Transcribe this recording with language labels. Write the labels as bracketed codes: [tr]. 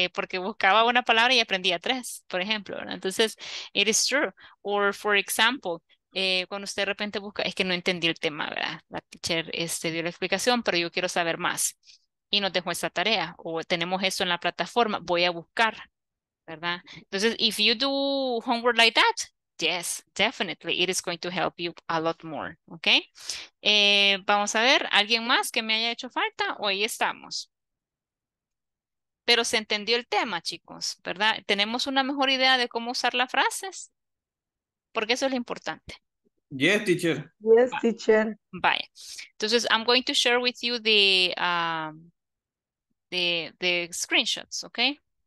[es] Porque buscaba una palabra y aprendía tres, por ejemplo, ¿verdad? Entonces, [en] it is true. Or, for example, [es] cuando usted de repente busca, es que no entendí el tema, ¿verdad? La teacher dio la explicación, pero yo quiero saber más. Y nos dejó esa tarea, o tenemos eso en la plataforma, voy a buscar, ¿verdad? [en] Entonces, if you do homework like that, yes, definitely, it is going to help you a lot more, ¿ok? [es] Vamos a ver, ¿alguien más que me haya hecho falta? O ahí estamos. Pero se entendió el tema, chicos, ¿verdad? ¿Tenemos una mejor idea de cómo usar las frases? Porque eso es lo importante. [en] Yes, teacher. Yes, teacher. Bye. Entonces, I'm going to share with you the screenshots, okay?